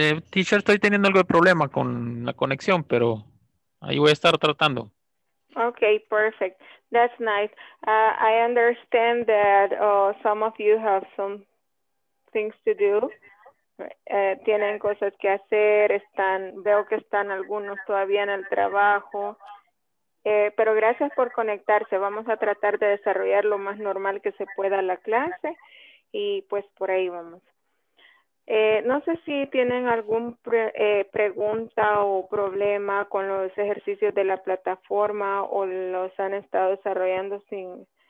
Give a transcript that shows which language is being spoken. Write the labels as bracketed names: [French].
[Spanish] Teacher, estoy teniendo algo de problema con la conexión, pero ahí voy a estar tratando. [English] Okay, perfect. That's nice. I understand that some of you have some things to do. [Spanish] Tienen cosas que hacer, veo que están algunos todavía en el trabajo. Pero gracias por conectarse. Vamos a tratar de desarrollar lo más normal que se pueda la clase. Y pues por ahí vamos. No sé si tienen algún pregunta o problema con los ejercicios de la plataforma o los han estado desarrollando sin...